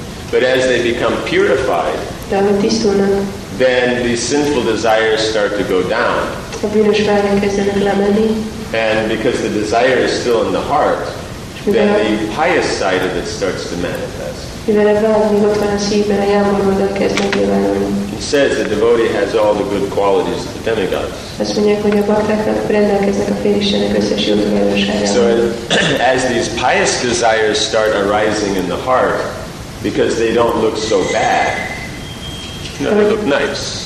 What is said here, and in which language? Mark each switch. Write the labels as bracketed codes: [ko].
[en] But as they become purified, then these sinful desires start to go down. [hu] A bűnös vágyak kezdenek lemenni. [en] And because the desire is still in the heart, then the pious side of it starts to manifest. [hu] Mivel a vágy ott van a szívben, a jámborodat kezd megjelenni. [en] It says the devotee has all the good qualities of the demigods. [hu] Azt mondják, hogy a bakták rendelkeznek a félistenek összes jó tulajdonságával. [en] So as these pious desires start arising in the heart, because they don't look so bad, no, they look nice.